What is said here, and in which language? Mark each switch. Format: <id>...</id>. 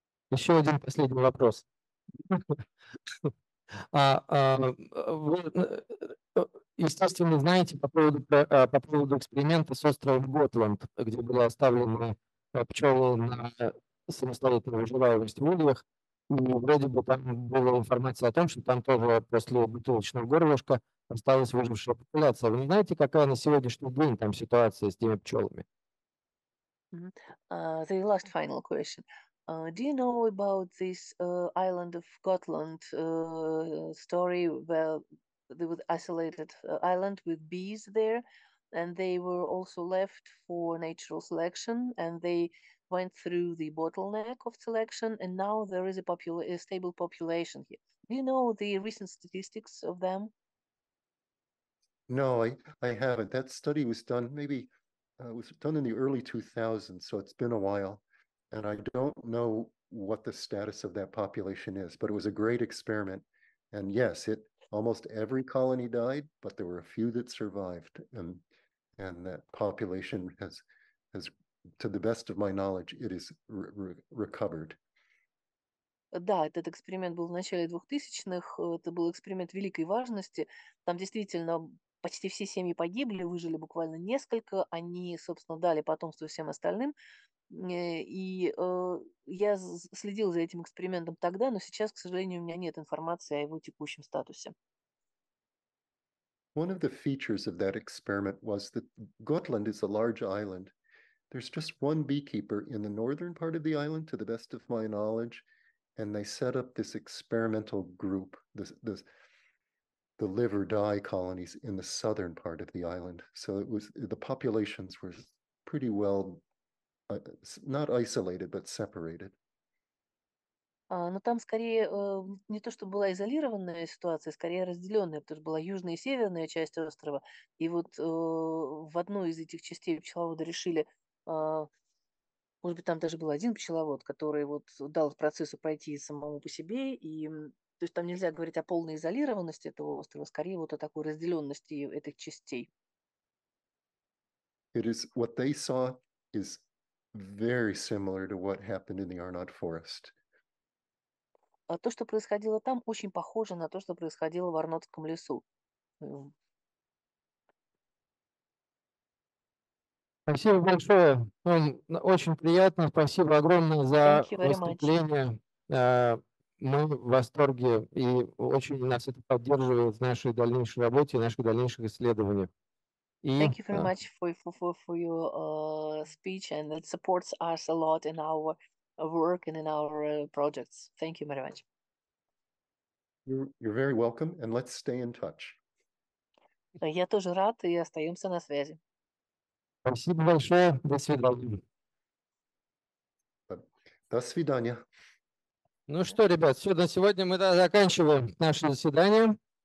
<ru>Еще один последний вопрос. Вы, естественно, знаете по поводу эксперимента с островом Готланд, где были оставлены пчелы на самостоятельную выживаемость в ульях. Вроде бы там была информация о том, что там тоже после бутылочного горлышка осталась выжившая популяция. Вы не знаете, какая на сегодняшний день там ситуация с теми пчелами?</ru> <en>The last final question. Do you know about this island of Gotland story where there was isolated island with bees there and they were also left for natural selection and they went through the bottleneck of selection and now there is a stable population here. Do you know the recent statistics of them? No, I haven't. That study was done in the early 2000s, so it's been a while. And I don't know what the status of that population is, but it was a great experiment. And yes, almost every colony died, but there were a few that survived. And that population has, to the best of my knowledge, it is recovered.</en> <ru>Да, этот эксперимент был в начале 2000-х. Это был эксперимент великой важности. Там действительно почти все семьи погибли, выжили буквально несколько. Они, собственно, дали потомство всем остальным. И я следил за этим экспериментом тогда, но сейчас, к сожалению, у меня нет информации о его текущем статусе.</ru> <en>One of the features of that experiment was that Gotland is a large island. There's just one beekeeper in the northern part of the island, to the best of my knowledge, and they set up this experimental group, the live or die colonies in the southern part of the island. So it was the populations were pretty well not isolated, but separated.</en> <ru>Но там скорее не то, что была изолированная ситуация, скорее разделенная, потому что была южная и северная часть острова. И вот в одной из этих частей пчеловоды решили Может быть, там даже был один пчеловод, который вот дал процессу пройти самому по себе. И, то есть там нельзя говорить о полной изолированности этого острова, скорее вот о такой разделенности этих частей.</ru> <en>It is what they saw is very similar to what happened in the Arnott Forest.</en> <ru>А то, что происходило там, очень похоже на то, что происходило в Арнотском лесу. Спасибо большое. Очень приятно. Спасибо огромное за выступление. Мы в восторге и очень нас это поддерживает в нашей дальнейшей работе, в наших дальнейших исследованиях.</ru> <en>Thank you very much for your speech, and it supports us a lot in our work and in our projects. Thank you very much. You're very welcome, and let's stay in touch.</en> <ru>Я тоже рад, и остаемся на связи. Спасибо большое. До свидания. До свидания. Ну что, ребят, все, на сегодня мы заканчиваем наше заседание.</ru>